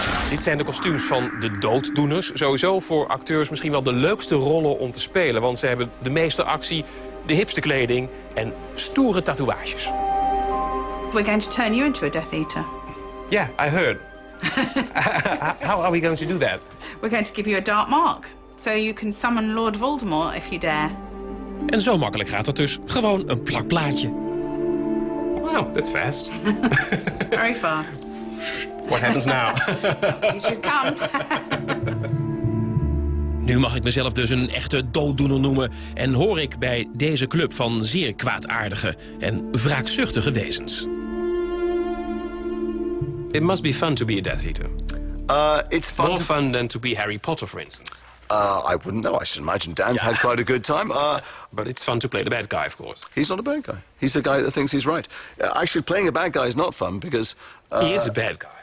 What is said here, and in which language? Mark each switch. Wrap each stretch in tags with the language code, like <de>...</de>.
<nl>Dit zijn de kostuums van de dooddoeners. Sowieso voor acteurs misschien wel de leukste rollen om te spelen, want ze hebben de meeste actie, de hipste kleding en stoere tatoeages.</nl> <en>We're going to turn you into a Death Eater. Yeah, I heard. How are we going to do that? We're going to give you a dark mark, so you can summon Lord Voldemort if you dare.</en> <nl>En zo makkelijk gaat dat dus. Gewoon een plak plaatje.</nl> <en>Wow, that's fast. Very fast. What happens now? You should come.</en> <nl>Nu mag ik mezelf dus een echte dooddoener noemen en hoor ik bij deze club van zeer kwaadaardige en wraakzuchtige wezens.</nl> <en>It must be fun to be a Death Eater. It's fun. More fun than to be Harry Potter, for instance. I wouldn't know. I should imagine Dan's had quite a good time. But it's fun to play the bad guy, of course. He's not a bad guy. He's a guy that thinks he's right. Actually, playing a bad guy is not fun because... He is a bad guy.</en>